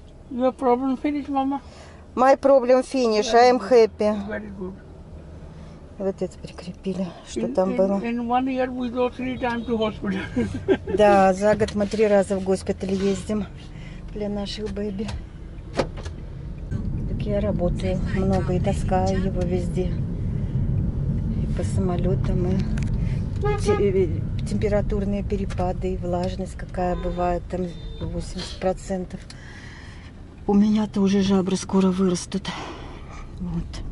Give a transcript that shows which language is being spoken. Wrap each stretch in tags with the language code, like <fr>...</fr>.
<en>Your problem finished, мама? My problem finish, I am happy. Very good.</en> <ru>Вот это прикрепили, что там было.</ru> <en>In 1 year we go 3 times to hospital.</en> <ru>Да, за год мы 3 раза в госпиталь ездим для наших бэби. Так я работаю много и таскаю его везде. И по самолетам, и температурные перепады, и влажность какая бывает, там 80%. У меня тоже жабры скоро вырастут. Вот.</ru>